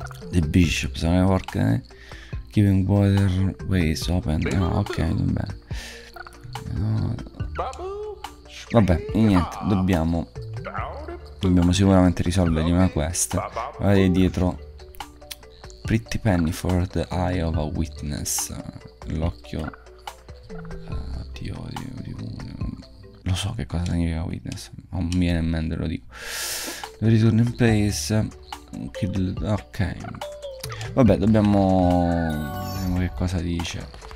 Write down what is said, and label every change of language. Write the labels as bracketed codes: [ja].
[en] The bishop's work, keeping water ways open. [it] Ah, ok, va bene. Vabbè, niente, dobbiamo sicuramente risolvere una quest. Vai dietro. [en] Pretty penny for the eye of a witness. [it] L'occhio di uno. Lo so che cosa significa witness, ma non mi viene in mente, lo dico. Ritorno [en] in place. [it] Ok. Vabbè, vediamo che cosa dice.